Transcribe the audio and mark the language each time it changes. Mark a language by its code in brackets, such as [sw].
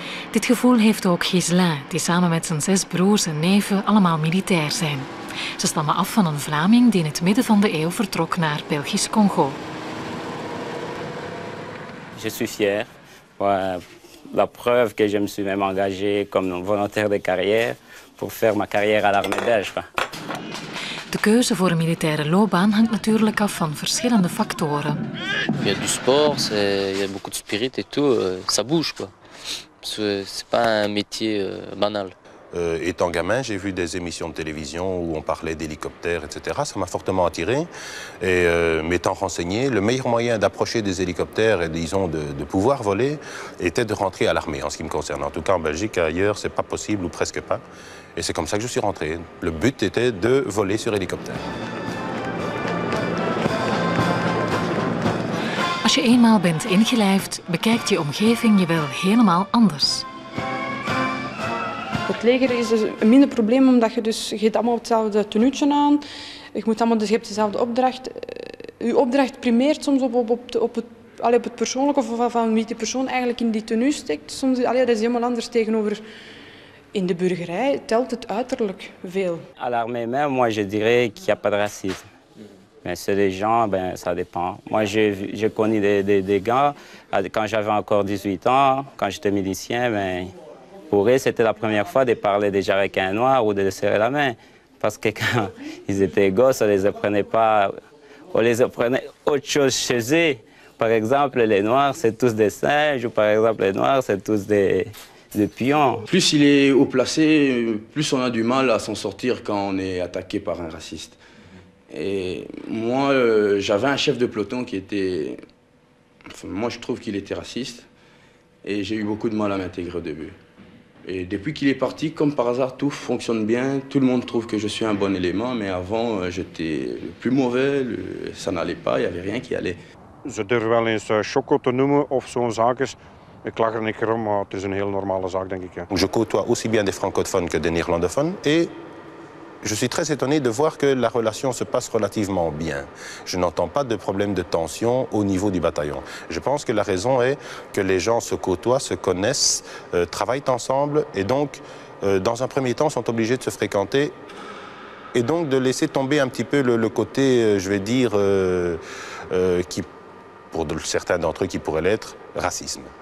[nl] Dit gevoel heeft ook Ghislain, die samen met zijn 6 broers en neven allemaal militair zijn. Ze stammen af van een Vlaming die in het midden van de eeuw vertrok naar Belgisch Congo. [fr] Je suis fier. La preuve que je me suis même engagé comme volontaire de carrière pour faire ma carrière à l'armée belge. [nl] De keuze voor een militaire loopbaan hangt natuurlijk af van verschillende factoren. [fr] Il y a du sport, il y a beaucoup de spirit et tout, ça bouge quoi. C'est pas un métier banal. Étant gamin, j'ai vu des émissions de télévision où on parlait d'hélicoptères, etc. Ça m'a fortement attiré. Et m'étant renseigné, le meilleur moyen d'approcher des hélicoptères et disons de pouvoir voler était de rentrer à l'armée, en ce qui me concerne. En tout cas, en Belgique, ailleurs, c'est pas possible ou presque pas. Et c'est comme ça que je suis rentré. Le but était de voler sur hélicoptère. [nl] Als je eenmaal bent ingelijfd, bekijkt je omgeving je wel helemaal anders. Het leger is dus een minder probleem omdat je hebt allemaal hetzelfde tenuutje aan. Je hebt dezelfde opdracht. Je opdracht primeert soms op het persoonlijke of van wie die persoon eigenlijk in die tenue steekt. Soms, dat is helemaal anders tegenover in de burgerij. Telt het uiterlijk veel. [fr] À l'armée même, moi je dirais qu'il n'y a pas de racisme. Mais c'est les gens, ben ça dépend. Moi, j'ai connu des gars, quand j'avais encore 18 ans, quand j'étais milicien, ben, pour eux, c'était la première fois de parler déjà avec un noir ou de les serrer la main. Parce que quand ils étaient gosses, on les apprenait pas, on les apprenait autre chose chez eux. Par exemple, les noirs, c'est tous des singes, ou par exemple, les noirs, c'est tous des pions. Plus il est haut placé, plus on a du mal à s'en sortir quand on est attaqué par un raciste. Et moi, j'avais un chef de peloton qui était... Enfin, moi, je trouve qu'il était raciste. Et j'ai eu beaucoup de mal à m'intégrer au début. Et depuis qu'il est parti, comme par hasard, tout fonctionne bien. Tout le monde trouve que je suis un bon élément. Mais avant, j'étais le plus mauvais. Ça n'allait pas, il n'y avait rien qui allait. [nl] Je durf wel eens Choco te noemen of zo'n zaken. Ik lach er niet om, maar het is een heel normale zaak, denk ik. [fr] Je côtoie aussi bien des francophones que des néerlandophones. Et... Je suis très étonné de voir que la relation se passe relativement bien. Je n'entends pas de problème de tension au niveau du bataillon. Je pense que la raison est que les gens se côtoient, se connaissent, travaillent ensemble et donc, dans un premier temps, sont obligés de se fréquenter et donc de laisser tomber un petit peu le côté, je vais dire, qui, pour certains d'entre eux, qui pourrait l'être, racisme.